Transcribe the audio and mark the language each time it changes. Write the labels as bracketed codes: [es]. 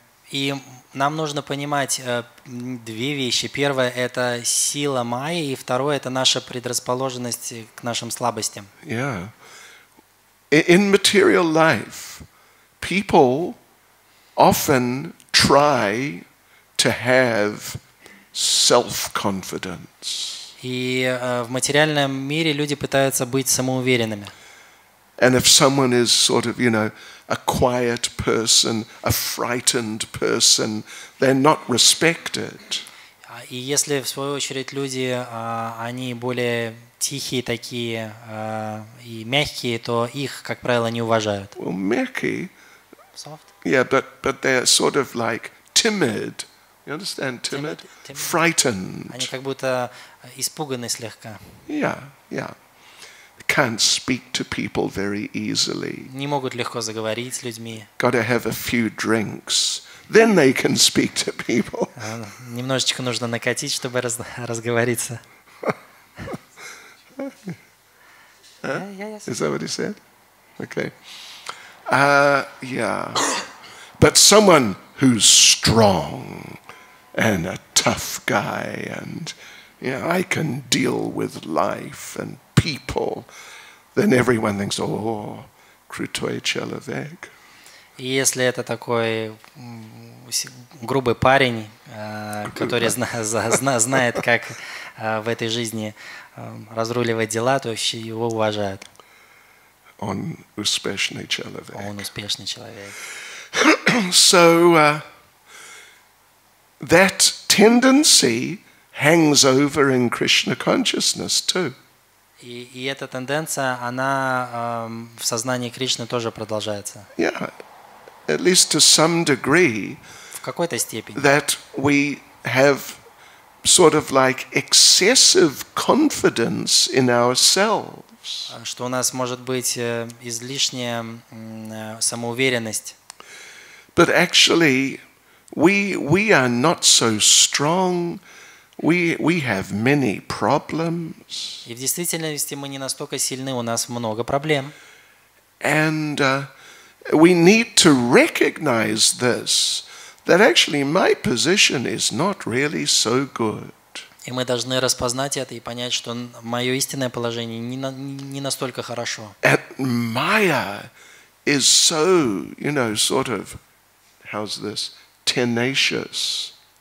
[ru] И нам нужно понимать две вещи. Первое – это сила Майи, и второе – это наша предрасположенность к нашим слабостям. [en] Yeah. In material life, people often try to have self-confidence. [ru] И в материальном мире люди пытаются быть самоуверенными. [en] And if someone is sort of, you know, a quiet person, a frightened person, they're not respected. [ru] И если в свою очередь люди, они более тихие такие и мягкие, то их, как правило, не уважают. [en] Well, [ru] мягкие. [en] Soft. Yeah, but they're sort of like timid. You understand? Timid? Timid. Frightened. [ru] Они как будто испуганы слегка. [en] Yeah. Can't speak to people very easily. [ru] Не могут легко заговорить с людьми. [en] Got to have a few drinks. Then they can speak to people. [ru] Немножечко нужно накатить, чтобы разговориться. [en] Is that what he said? Okay. Yeah. But someone who's strong and a tough guy, and you know, I can deal with life and people, then everyone thinks, oh, [ru] крутой человек. Если это такой грубый парень, который знает, как в этой жизни разруливать дела, то вообще его уважают. Он успешный человек. Он успешный человек. [en] So, that tendency hangs over in Krishna consciousness too. [ru] И эта тенденция, она в сознании Кришны тоже продолжается. [en] Yeah, at least to some degree. [ru] В какой-то степени. [en] That we have sort of like excessive confidence in ourselves. [ru] Что у нас может быть излишняя самоуверенность. [en] But actually, we are not so strong. We have many problems. [ru] И в действительности мы не настолько сильны, у нас много проблем. [en] And we need to recognize this, that actually my position is not really so good. [ru] И мы должны распознать это и понять, что мое истинное положение не настолько хорошо. [en] And Maya is so, you know, sort of, how's this, tenacious.